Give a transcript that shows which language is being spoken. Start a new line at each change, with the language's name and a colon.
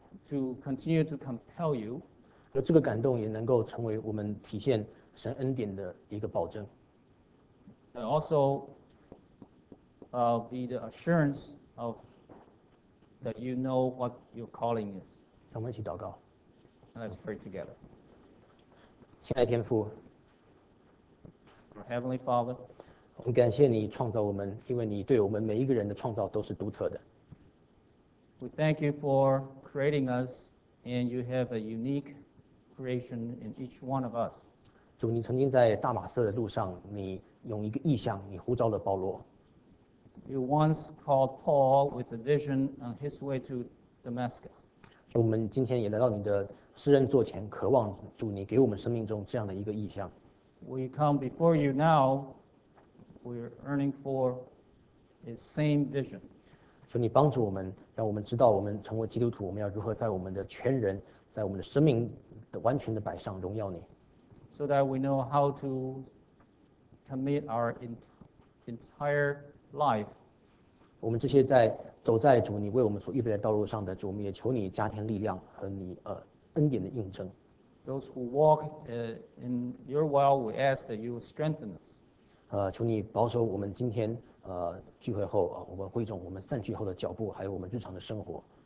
English: To continue to compel you.
Chinese: 而这个感动也能够成为我们体现神恩典的一个保证。
English: And also, be the assurance of that you know what your calling is.
Chinese: 让我们一起祷告。
English: Let's pray together.
Chinese: 亲爱的天父
English: ，Our Heavenly Father,
Chinese: 我们感谢你创造我们，因为你对我们每一个人的创造都是独特的。
English: We thank you for creating us, and you have a unique. Creation in each one of us.
Chinese: 主，你曾经在大马色的路上，你用一个异象，你呼召了保罗。
English: You once called Paul with a vision on his way to Damascus.
Chinese: 主，我们今天也来到你的施恩座前，渴望主你给我们生命中这样的一个异象。
English: We come before you now. We're earning for the same vision.
Chinese: 主，你帮助我们，让我们知道我们成为基督徒，我们要如何在我们的全人，在我们的生命。完全的摆上荣耀你
English: ，so that we know how to commit our entire life.
Chinese: 我们这些在走在主你为我们所预备的道路上的主，我们也求你加添力量和你恩典的印证。
English: Those who walk in your will, we ask that you strengthen us.
Chinese: 求你保守我们今天聚会后我们会总我们散聚后的脚步还有我们日常的生活。